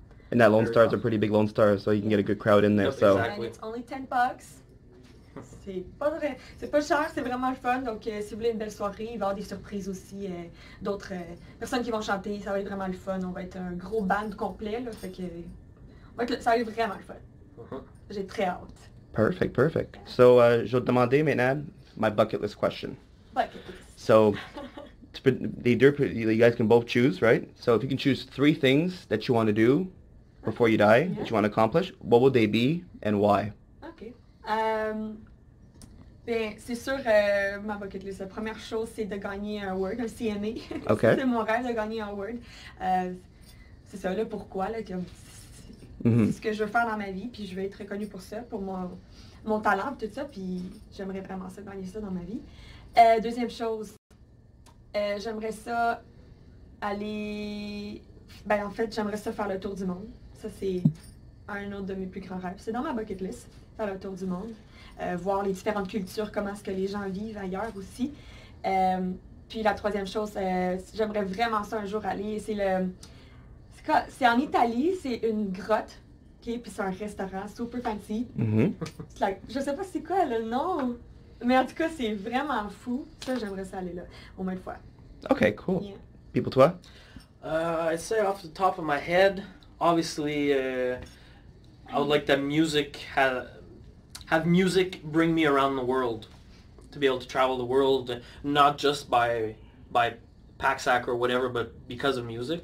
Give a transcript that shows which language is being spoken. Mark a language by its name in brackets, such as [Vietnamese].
[English] And that Lone Star is a pretty big Lone Star, so you can get a good crowd in there. Yep, so exactly. And it's only $10. [French] C'est pas cher, c'est vraiment le fun. Donc si vous voulez une belle soirée, il va y avoir des surprises aussi, d'autres personnes qui vont chanter. Ça va être vraiment le fun. On va être un gros band complet, là. Fait que ça va être vraiment le fun. J'ai très hâte. [English] Perfect, perfect. So [French] je vais te demander maintenant [English] my bucket list question. So. You guys can both choose, right? So if you can choose 3 things that you want to do before you die, that you want to accomplish, what would they be and why? Okay. [French] Ben, c'est sûr, ma bucket list, la première chose, c'est de gagner un award, un CMA. Okay. C'est mon rêve de gagner un award. C'est ça, là, pourquoi, là, c'est ce que je veux faire dans ma vie, puis je veux être reconnue pour ça, pour mon talent, tout ça, puis j'aimerais vraiment ça, gagner ça dans ma vie. Deuxième chose, J'aimerais ça aller... Ben, en fait, j'aimerais ça faire le tour du monde. Ça, c'est un autre de mes plus grands rêves. C'est dans ma bucket list, faire le tour du monde. Voir les différentes cultures, comment est-ce que les gens vivent ailleurs aussi. Puis la troisième chose, j'aimerais vraiment ça un jour aller, c'est le... C'est en Italie, c'est une grotte, ok, puis c'est un restaurant super fancy. Mm-hmm. C'est like, je sais pas c'est quoi le nom, mais en tout cas, c'est vraiment fou. Ça, j'aimerais ça aller là, au moins une fois. [English] Ok, cool. Yeah. People, toi? I'd say off the top of my head, obviously, I would like that music, have music bring me around the world. To be able to travel the world, not just by pack sack or whatever, but because of music.